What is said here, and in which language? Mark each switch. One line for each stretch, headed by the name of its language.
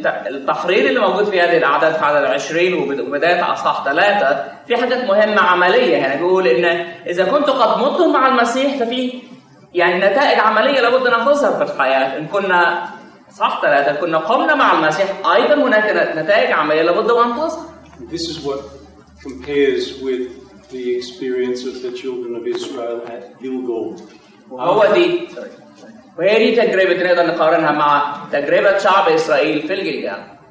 Arabic: التحرير اللي موجود في هذه الأعداد في عدد 20 وبداية أصحاح 3 في حاجات مهمة عملية يعني بيقول إن إذا كنت قد مت مع المسيح ففي يعني نتائج عملية لابد نحصلها في الحياة إن كنا صح 3 كنا قمنا مع المسيح أيضا هناك نتائج عملية لابد نحصلها.
English: This is what compares with the experience of the children of Israel at Gilgal.
Arabic: هو دي وهي دي تجربة نقدر نقارنها مع تجربة شعب إسرائيل في الجلجال.